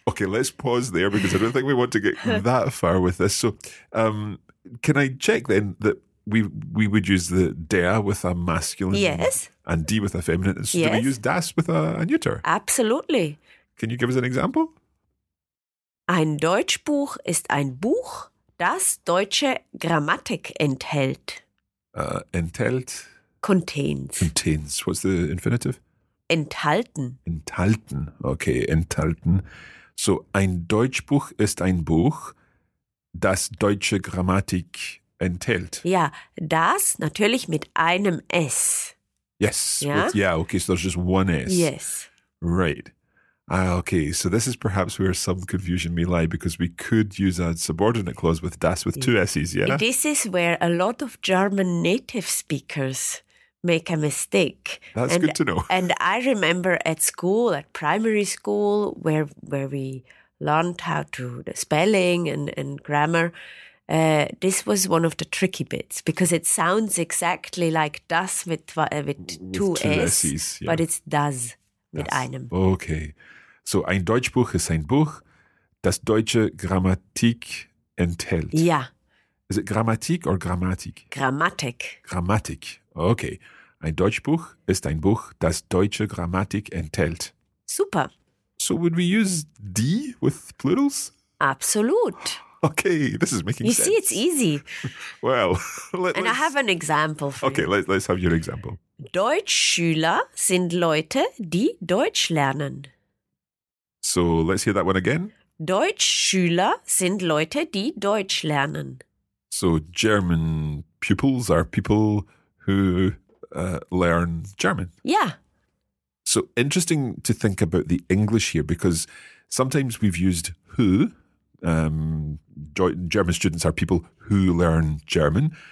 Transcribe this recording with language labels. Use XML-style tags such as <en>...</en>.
<en>Okay, let's pause there because I don't think we want to get that far with this. So can I check then that we would use the der with a masculine, yes, and die with a feminine. So yes. Do we use das with a neuter? Absolutely. Can you give us an example?</en> <de>Ein Deutschbuch ist ein Buch, das deutsche Grammatik enthält. enthält.</de> <en>Contains. Contains. What's the infinitive?</en> <de>Enthalten. Enthalten. Okay, enthalten. So, ein Deutschbuch ist ein Buch, das deutsche Grammatik enthält. Ja, das natürlich mit einem S.</de> <en>Yes. Ja? With, yeah, okay, so there's just one S. Yes. Right. Okay, so this is perhaps where some confusion may lie, because we could use a subordinate clause with das with two S's, yeah? This is where a lot of German native speakers make a mistake. That's good to know. And I remember at school, at primary school, where we learned how to the spelling and grammar, this was one of the tricky bits, because it sounds exactly like das with two S's, yeah. But it's das.</en> <de>Mit einem.</de> <en>Okay.</en> <de>So, ein Deutschbuch ist ein Buch, das deutsche Grammatik enthält. Ja.</de> <en>Is it Grammatik or Grammatik?</en> <de>Grammatik. Grammatik. Okay. Ein Deutschbuch ist ein Buch, das deutsche Grammatik enthält. Super.</de> <en>So, would we use die with plurals?</en> <de>Absolut.</de> <en>Okay, this is making you sense. You see, it's easy. Well, I have an example for okay, you. Okay, let's have your example.</en> <de>Deutschschüler sind Leute, die Deutsch lernen.</de> <en>So, let's hear that one again.</en> <de>Deutschschüler sind Leute, die Deutsch lernen.</de> <en>So, German pupils are people who learn German. Yeah. So, interesting to think about the English here, because sometimes we've used who. German students are people who learn German.</en>